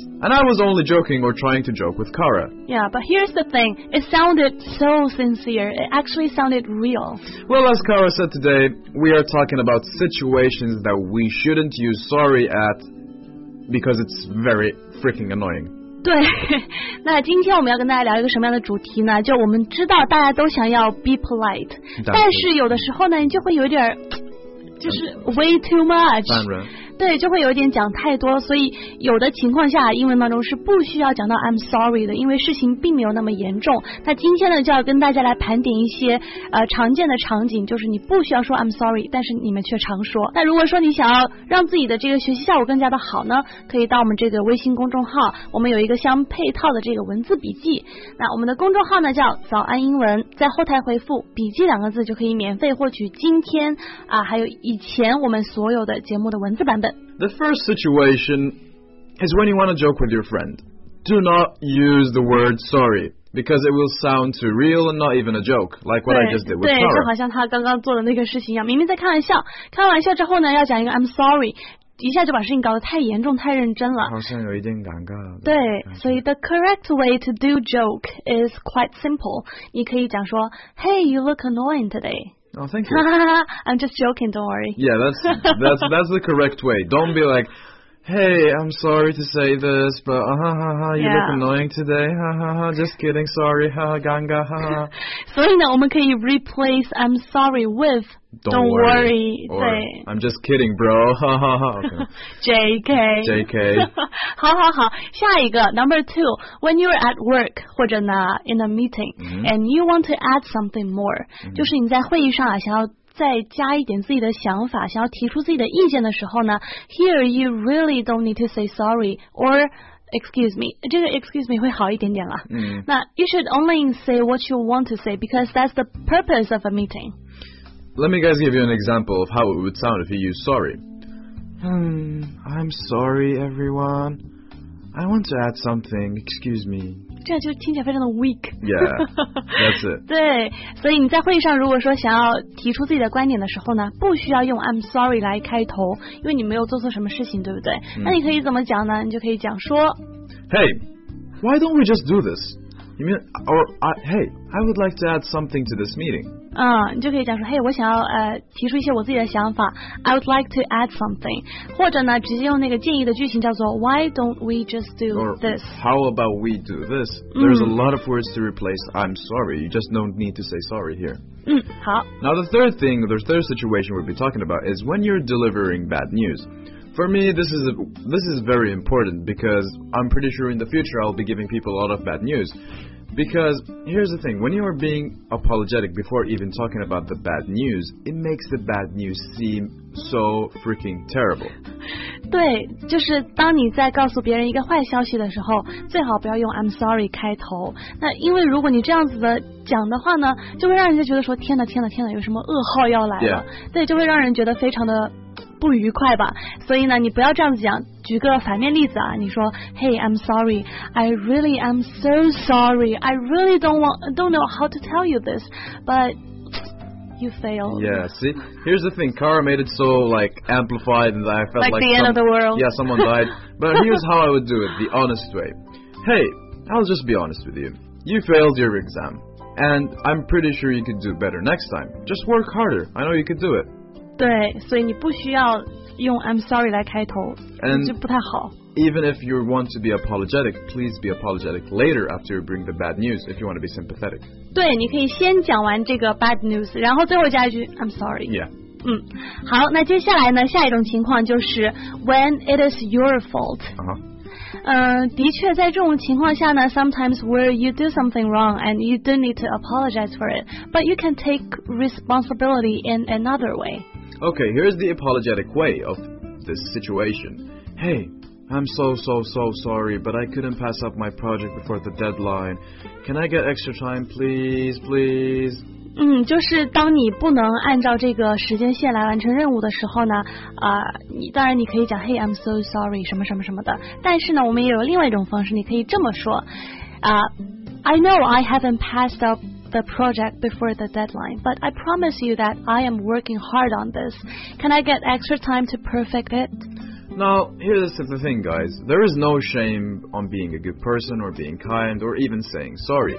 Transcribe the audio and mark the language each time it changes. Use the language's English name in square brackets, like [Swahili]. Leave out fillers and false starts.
[English] And I was only joking or trying to joke with Kara. Yeah, but here's the thing, it sounded so sincere, it actually sounded real. Well, as Kara said today, we are talking about situations that we shouldn't use sorry at because it's very freaking annoying. [Chinese] 对，那今天我们要跟大家聊一个什么样的主题呢？就我们知道大家都想要 [English] be polite， [Chinese] 但是有的时候呢，你就会有点就是 [English] way too much， [Chinese] 对，就会有点讲太多，所以有的情况下英文当中是不需要讲到 [English] I'm sorry [Chinese] 的，因为事情并没有那么严重。那今天呢，就要跟大家来盘点一些常见的场景，就是你不需要说 [English] I'm sorry， [Chinese] 但是你们却常说。那如果说你想要让自己的这个学习效果更加的好呢，可以到我们这个微信公众号，我们有一个相配套的这个文字笔记。那我们的公众号呢叫早安英文，在后台回复笔记两个字就可以免费获取今天啊还有以前我们所有的节目的文字版本。 [English] The first situation is when you want to joke with your friend. Do not use the word sorry because it will sound too real and not even a joke, like what I just did with Kara. [Chinese] 对，就好像他刚刚做的那个事情一样，明明在开玩笑，开玩笑之后呢，要讲一个 [English] I'm sorry， [Chinese] 一下就把事情搞得太严重、太认真了，好像有一点尴尬。对，所以 [English] the correct way to do joke is quite simple. [Chinese] 你可以讲说 [English] Hey, you look annoying today. Oh, thank you. I'm just joking, don't worry. Yeah, that's the correct way. Don't be like, hey, I'm sorry to say this, but you look annoying today. Just kidding, sorry. Ganga. So, you know, we can replace I'm sorry with don't worry. Or, I'm just kidding, bro. JK. JK. [Chinese] 好好好，下一个 [English] number two. When you're at work [Chinese] 或者呢 [English] in a meeting、mm-hmm. and you want to add something more,、mm-hmm. [Chinese] 就是你在会议上啊想要再加一点自己的想法，想要提出自己的意见的时候呢 ， [English] Here you really don't need to say sorry or excuse me. [Chinese] 这个 [English] excuse me [Chinese] 会好一点点了。嗯。 [English] 那 you should only say what you want to say because that's the purpose of a meeting. Let me guys give you an example of how it would sound if you use sorry. I'm sorry, everyone. I want to add something. Excuse me. [Chinese] 这样就听起来非常的 weak. [English] Yeah, that's it. [Chinese] 对，所以你在会议上如果说想要提出自己的观点的时候呢，不需要用 [English] I'm sorry [Chinese] 来开头，因为你没有做错什么事情，对不对？那你可以怎么讲呢？你就可以讲说 [English] Hey, why don't we just do this? You mean, or hey, I would like to add something to this meeting. [Chinese] 嗯，你就可以讲说 [English] Hey, [Chinese] 我想要提出一些我自己的想法 [English] I would like to add something. [Chinese] 或者呢，直接用那个建议的句型叫做 Why don't we just do this? [English] How about we do this? There's a lot of words to replace I'm sorry. You just don't need to say sorry here. [Chinese] 嗯，好。 [English] Now the third thing, the third situation we'll be talking about is when you're delivering bad news. For me, this is very important because I'm pretty sure in the future I'll be giving people a lot of bad news. Because here's the thing, when you are being apologetic before even talking about the bad news, it makes the bad news seem so freaking terrible. [Chinese] 对，就是当你在告诉别人一个坏消息的时候，最好不要用 [English] I'm sorry [Chinese] 开头。那因为如果你这样子的讲的话呢，就会让人家觉得说天哪天哪天哪，有什么噩耗要来了。 [English] Yeah. [Chinese] 对，就会让人觉得非常的不愉快吧，所以呢，你不要这样子讲。举个反面例子啊，你说 ， [English] Hey, I'm sorry. I really am so sorry. I really don't know how to tell you this, but you failed. Yeah, see, here's the thing. Kara made it so like amplified that I felt like the end of the world. Yeah, someone died. But here's how I would do it, the honest way. Hey, I'll just be honest with you. You failed your exam, and I'm pretty sure you could do better next time. Just work harder. I know you could do it. [Chinese] 对，所以你不需要用 [English] I'm sorry [Chinese] 来开头，就不太好。 [English] Even if you want to be apologetic, please be apologetic later after you bring the bad news if you want to be sympathetic. [Chinese] 对，你可以先讲完这个 [English] bad news, [Chinese] 然后最后加一句 [English] I'm sorry. Yeah. [Chinese] 嗯，好，那接下来呢，下一种情况就是 [English] when it is your fault. Uh-huh. [Chinese] 的确在这种情况下呢 [English] sometimes where you do something wrong and you do need to apologize for it, but you can take responsibility in another way. Okay, here's the apologetic way of this situation. Hey, I'm so sorry, but I couldn't pass up my project before the deadline. Can I get extra time, please? [Chinese] 嗯，就是当你不能按照这个时间线来完成任务的时候呢，你当然你可以讲 [English] Hey, I'm so sorry, [Chinese] 什么什么什么的。但是呢，我们也有另外一种方式，你可以这么说， [English] I know I haven't passed up the project before the deadline, but I promise you that I am working hard on this. Can I get extra time to perfect it? Now, here's the simple thing, guys. There is no shame on being a good person or being kind or even saying sorry.